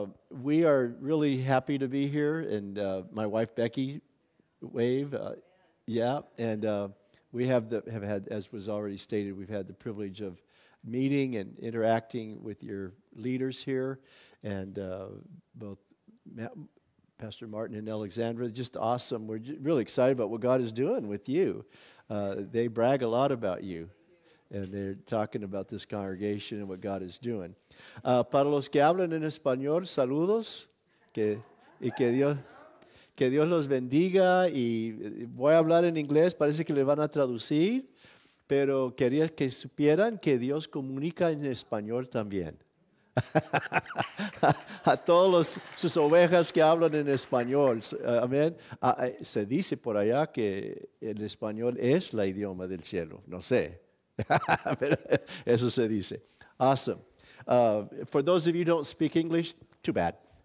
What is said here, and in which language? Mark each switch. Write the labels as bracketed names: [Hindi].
[English] We are really happy to be here, and my wife Becky, we have had, as was already stated, we've had the privilege of meeting and interacting with your leaders here, and both Pastor Martin and Alexandra, just awesome. We're really excited about what God is doing with you. They brag a lot about you, and they're talking about this congregation and what God is doing. [Spanish] Para los que hablan en español, saludos, que Dios los bendiga, y voy a hablar en inglés, parece que le van a traducir, pero quería que supieran que Dios comunica en español también. A todos sus ovejas que hablan en español, amén. Se dice por allá que el español es la idioma del cielo, no sé, pero eso se dice. [English] Awesome. For those of you who don't speak English, too bad.